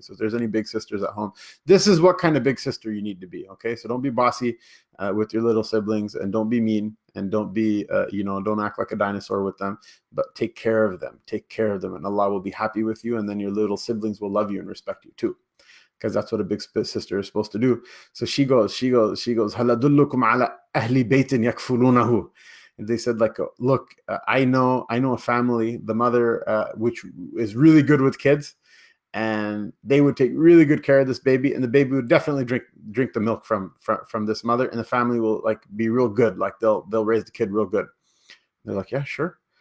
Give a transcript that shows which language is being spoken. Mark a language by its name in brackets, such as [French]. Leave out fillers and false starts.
[English] So if there's any big sisters at home, this is what kind of big sister you need to be, okay? So don't be bossy with your little siblings, and don't be mean, and don't be, don't act like a dinosaur with them, but take care of them. Take care of them, and Allah will be happy with you, and then your little siblings will love you and respect you too. Because that's what a big sister is supposed to do. So she goes, [Arabic] هَلَ دُلُّكُمْ عَلَى أَهْلِ بَيْتٍ يَكْفُلُونَهُ. [English] And they said, like, look, I know a family, the mother, which is really good with kids, and they would take really good care of this baby, and the baby would definitely drink the milk from this mother, and the family will, like, be real good. Like, they'll raise the kid real good. They're like, yeah, sure.